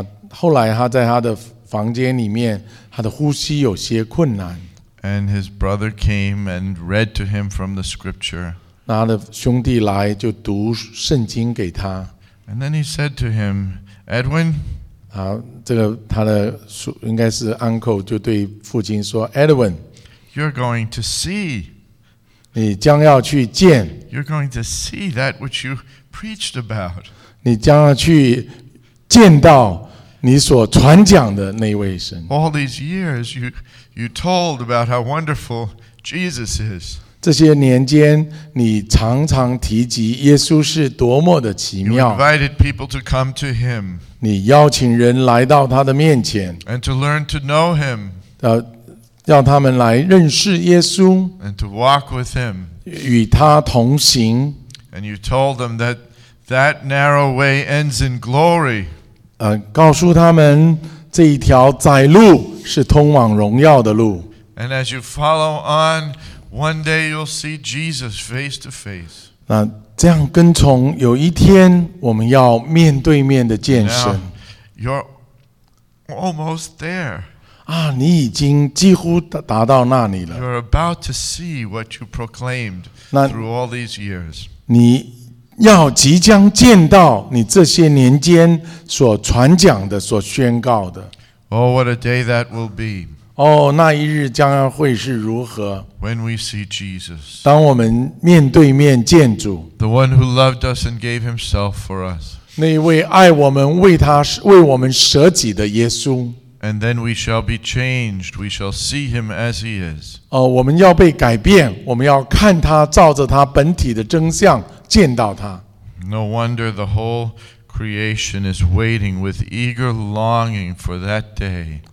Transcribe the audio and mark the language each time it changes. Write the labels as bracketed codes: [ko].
[zh] 后来他在他的房间里面，他的呼吸有些困难。 [en] And his brother came and read to him from the scripture. [zh] 他的兄弟来就读圣经给他。 [en] And then he said to him, Edwin. [zh] 这个他的应该是 uncle 就对父亲说 ，Edwin。 [en] You're going to see. [zh] 你将要去见。 [en] You're going to see that which you preached about. [zh] 你将要去见到你所传讲的那位神。 [en] All these years you told about how wonderful Jesus is. [zh] 这些年间，你常常提及耶稣是多么的奇妙。 [en] You invited people to come to him. [zh] 你邀请人来到他的面前。 [en] And to learn to know him. [zh] 让他们来认识耶稣 [en] and to walk with him. [zh] 与他同行 [en] and you told them that that narrow way ends in glory. [zh] 告诉他们这一条窄路是通往荣耀的路 [en] and as you follow on, one day you'll see Jesus face to face. [zh] 这样跟从有一天我们要面对面的见神 [en] Now, you're almost there. [zh] 你已经几乎达到那里了。 [en] You're about to see what you proclaimed through all these years. [zh] 你要即将见到你这些年间所传讲的、所宣告的。 [en] Oh, what a day that will be. [zh] 那一日将要会是如何 [en] ？When we see Jesus. [zh] 当我们面对面见主。 [en] The one who loved us and gave himself for us. [zh] 那一位爱我们、为我们舍己的耶稣。 [en] And then we shall be changed. We shall see him as he is. [zh] 我们要被改变，我们要看他，照着他本体的真相见到他。 [en] No wonder the whole creation is waiting with eager longing for that day.